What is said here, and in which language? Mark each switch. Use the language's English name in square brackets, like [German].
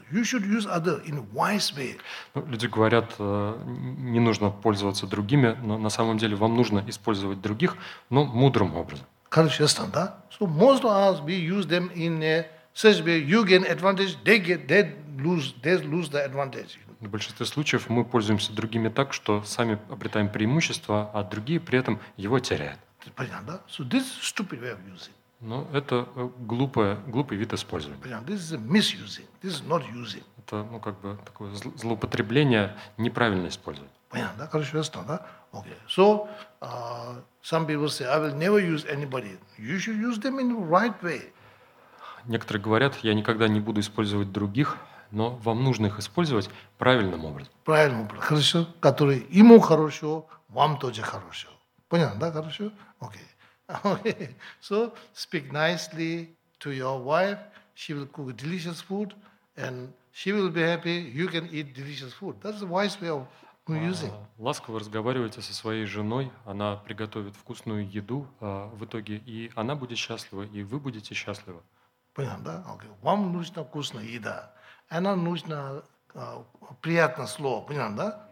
[English] You should use other in a wise way. [Russian] Люди говорят, не нужно пользоваться другими, но на самом деле вам нужно использовать других, но мудрым образом. Конечно, да? [English] So most of us, we use them in a such way, you gain advantage, they lose the advantage. [Russian] В большинстве случаев мы пользуемся другими так, что сами обретаем преимущество, а другие при этом его теряют. Понятно, да? [English] So this is a stupid way of using. [Russian] Но это глупый вид использования. [English] This is a misusing. This is not using. [Russian] Это, ну, как бы такое злоупотребление, неправильно использовать. Понятно, да? Короче, ясно, да? Okay. [English] So, some people say, I will never use anybody. You should use them in the right way. [Russian] Некоторые говорят, я никогда не буду использовать других, но вам нужно их использовать правильным образом. Правильным образом. Хорошо. Который ему хорошо, вам тоже хорошо. Понятно, да? Хорошо? Окей. [English] Okay. So, speak nicely to your wife. She will cook delicious food and she will be happy. You can eat delicious food. That's a wise way of using. [Russian] Ласково разговаривайте со своей женой. Она приготовит вкусную еду в итоге. И она будет счастлива, и вы будете счастливы. Понятно, да? [English] Okay. [Russian] Вам нужна вкусная еда. Она нужна приятное слово. Понятно, да?